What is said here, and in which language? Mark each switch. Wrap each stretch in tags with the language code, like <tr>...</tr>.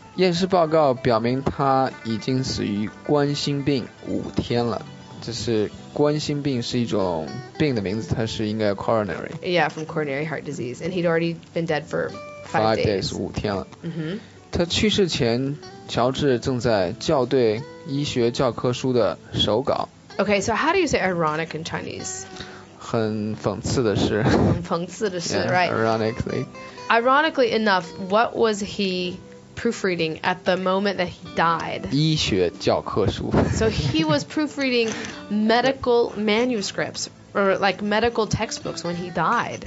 <zh>验尸报告表明他已经死于冠心病五天了。这是冠心病是一种病的名字，它是应该 coronary。</zh> <en>Yeah, from coronary heart disease, and he'd already been dead for five days,</en> <zh>五天了。 Mm-hmm. 他去世前，乔治正在校对医学教科书的手稿。</zh> <en>Okay, so how do you say ironic in Chinese?</en> <zh>很讽刺的是。很讽刺的是</zh> <en>yeah, right? Ironically. Ironically enough, what was he? Proofreading at the moment that he died.</en> <zh>医学教科书</zh> <en>So he was proofreading medical manuscripts or like medical textbooks when he died.</en>